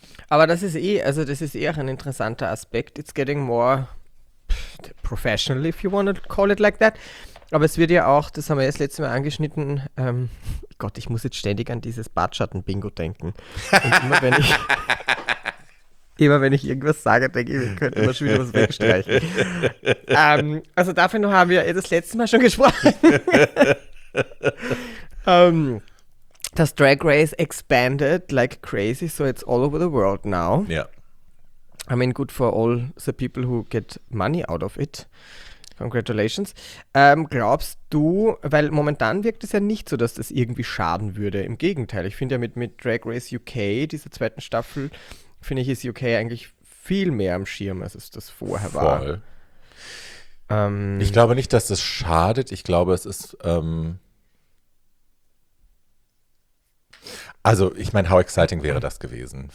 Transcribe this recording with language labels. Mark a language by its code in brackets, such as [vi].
[de] Aber das ist eh auch ein interessanter Aspekt. [en] It's getting more professional, if you want to call it like that. [de] Aber es wird ja auch, das haben wir jetzt letztes Mal angeschnitten, Gott, ich muss jetzt ständig an dieses Bartschatten-Bingo denken. Und immer wenn ich irgendwas sage, denke ich, wir könnten mal schon wieder was wegstreichen. Also dafür haben wir das letzte Mal schon gesprochen. [en] das Drag Race expanded like crazy, so it's all over the world now. [de] Ja. [en] I mean, good for all the people who get money out of it. Congratulations. [de] Glaubst du, weil momentan wirkt es ja nicht so, dass das irgendwie schaden würde. Im Gegenteil, ich finde ja mit Drag Race UK, dieser zweiten Staffel, finde ich, ist UK eigentlich viel mehr am Schirm, als es das vorher war. Voll. Ich glaube nicht, dass das schadet. Ich glaube, es ist also, ich meine, [en] how exciting [de] wäre das gewesen?